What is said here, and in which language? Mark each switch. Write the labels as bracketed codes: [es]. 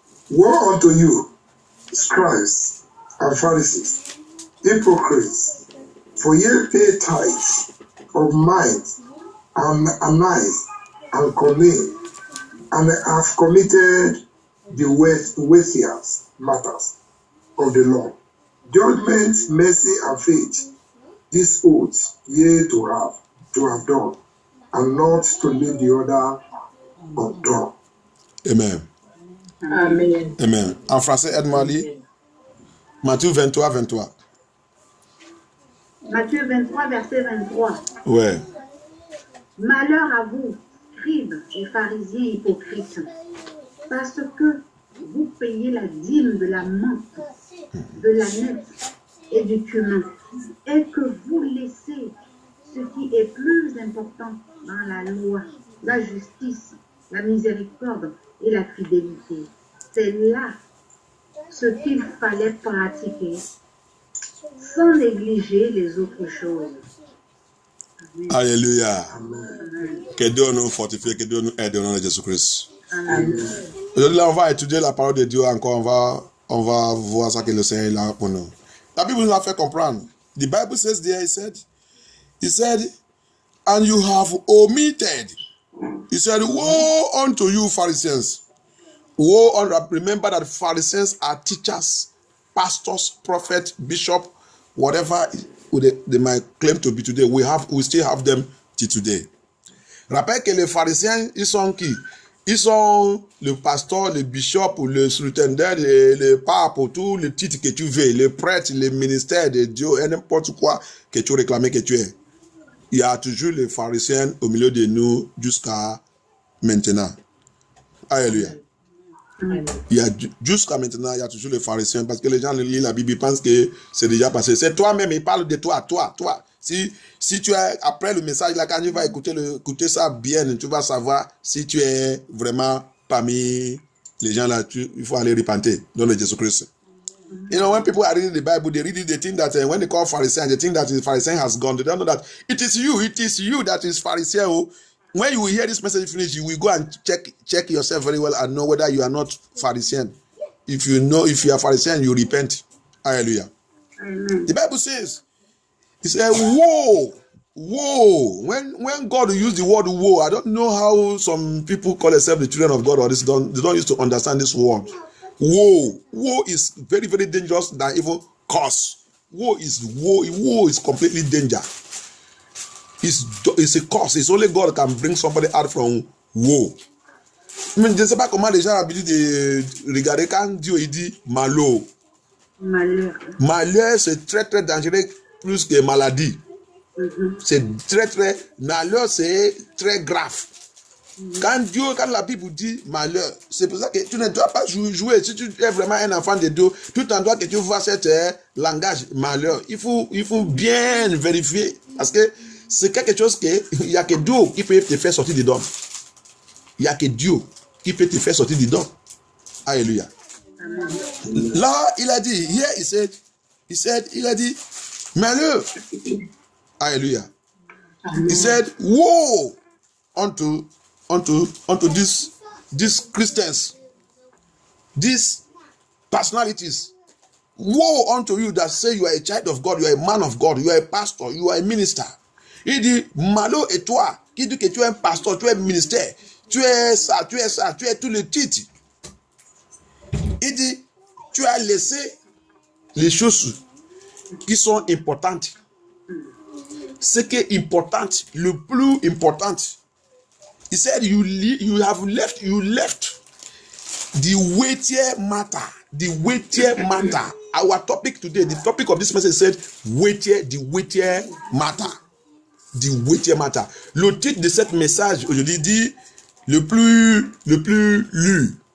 [en] Woe unto you, scribes and Pharisees, hypocrites, for ye pay tithes of mine and anise and cummin, and have committed the weightiest matters of the law. Judgment, mercy, and faith, these oaths ye to have done, and not to leave the other undone. Amen. Amen. Amen. [fr] En français, aide-moi à lire. Matthieu 23, 23. Matthieu 23, verset 23. Ouais. Malheur à vous, scribes et pharisiens hypocrites, parce que vous payez la dîme de la menthe, de la nette et du cumin, et que vous laissez ce qui est plus important dans la loi, la justice, la miséricorde et la fidélité. C'est là ce qu'il fallait pratiquer, sans négliger les autres choses. Amen. Alléluia. Amen. Que Dieu nous fortifie, que Dieu nous aide au nom de Jésus-Christ. Amen. Aujourd'hui, on va étudier la parole de Dieu encore. On va voir ce que le Seigneur a pour nous. La Bible nous a fait comprendre. [en] The Bible says there, he said, and you have omitted. He said, woe unto you, Pharisees. Woe unto, remember that Pharisees are teachers, pastors, prophets, bishops, whatever they might claim to be today. We still have them till today. [fr] Rappelle que les Pharisiens, ils sont qui? Ils sont le pasteur, le bishop, le surintendant, le pape, tout le titre que tu veux, le prêtre, le ministère de Dieu, et n'importe quoi que tu réclames que tu es. Il y a toujours les pharisiens au milieu de nous jusqu'à maintenant. Alléluia. Il y a jusqu'à maintenant, il y a toujours les pharisiens parce que les gens lisent la Bible, ils pensent que c'est déjà passé. C'est toi-même, ils parlent de toi. Si tu es, après le message, là, quand tu vas écouter ça bien, tu vas savoir si tu es vraiment parmi les gens là, il faut aller repenter dans le Jésus-Christ. [en] You know, when people are reading the Bible, they read it, they think that when they call Pharisee, they think that the Pharisee has gone. They don't know that it is you that is Pharisee. When you hear this message finish, you will go and check yourself very well and know whether you are not Pharisee. If you know, if you are Pharisee, you repent. Hallelujah. Amen. The Bible says, he said, woe. When God used the word woe, I don't know how some people call themselves the children of God or this. They don't used to understand this word. Woe is very, very dangerous than even curse. Woe is completely danger. It's a curse. It's only God can bring somebody out from woe. I mean, [fr] je ne sais pas comment les gens ont dit de regarder quand Dieu il dit malheur. Malheur, c'est très, très dangereux. Plus que maladie. Mm-hmm. C'est très, très... Malheur, c'est très grave. Quand Dieu, quand la Bible dit malheur, c'est pour ça que tu ne dois pas jouer. Si tu es vraiment un enfant de Dieu, tout en toi que tu vois cet langage malheur, il faut bien vérifier. Parce que c'est quelque chose que il y a que Dieu qui peut te faire sortir du dôme. Il y a que Dieu qui peut te faire sortir du dôme. Alléluia. Là, il a dit, hier, il a dit, malheur. Alléluia. [en] He said, woe unto these Christians, these personalities. Woe unto you that say you are a child of God, you are a man of God, you are a pastor, you are a minister. [fr] Il dit, malheur et toi, qui dit que tu es un pastor, tu es un ministère, tu es ça, tu es ça, tu es tout le titre. Il dit, tu as laissé les choses qui sont importantes. Ce qui est important, le plus important. [en] He said, you left the weightier matter. The weightier matter. Our topic today, the topic of this message said, the weightier matter. The weightier matter. [fr] Le titre de cette message aujourd'hui dit, le plus lu.